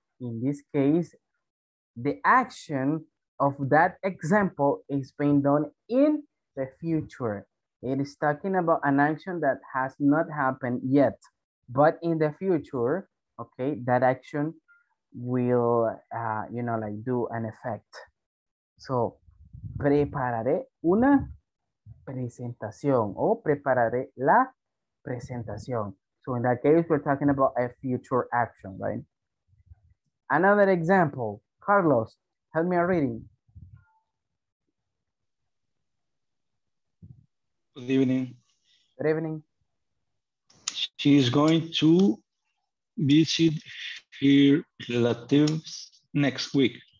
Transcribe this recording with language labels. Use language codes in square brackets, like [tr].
[en] In this case, the action of that example is being done in the future. It is talking about an action that has not happened yet, but in the future, okay, that action will, you know, like do an effect. [es] So, prepararé una presentación o prepararé la presentación. [en] So in that case, we're talking about a future action, right? Another example, Carlos, help me a reading. Good evening. Good evening. She is going to visit her relatives next week.